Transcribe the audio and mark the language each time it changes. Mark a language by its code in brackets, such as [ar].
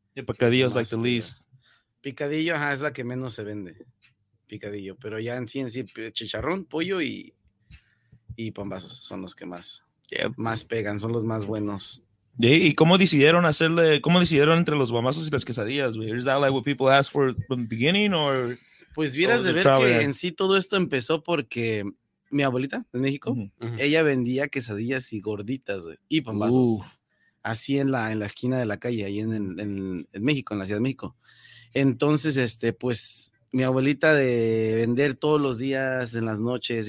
[es] El picadillo es [en] like the least. [es] Picadillo, ajá, es la que menos se vende. Picadillo, pero ya en sí, chicharrón, pollo y pambazos son los que más, yep. más pegan, son los más buenos. ¿Y cómo decidieron hacerle, cómo decidieron entre los pambazos y las quesadillas, güey? [en] ¿Is that like what people asked for from the beginning or? [es] Pues vieras de ver que en sí todo esto empezó porque mi abuelita en México, uh-huh. ella vendía quesadillas y gorditas, güey, y pambazos. Uf. Así en la esquina de la calle, ahí en México, en la Ciudad de México. Entonces, pues, mi abuelita de vender todos los días, en las noches.